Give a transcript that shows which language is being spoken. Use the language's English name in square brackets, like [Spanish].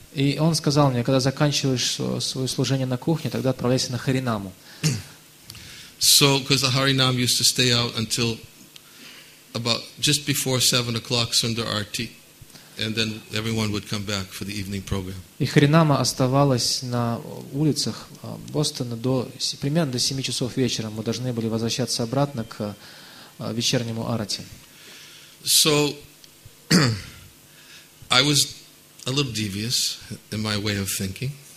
[Russian] И он сказал мне, когда заканчиваешь свое служение на кухне, тогда отправляйся на Харинаму. [English] So, because the Harinam used to stay out until about just before 7 o'clock Sundar Arti, and then everyone would come back for the evening program. [Russian] И Харинама оставалась на улицах Бостона примерно до 7 часов вечера. Мы должны были возвращаться обратно к вечернему Арати. [English] So, I was a little devious in my way of thinking.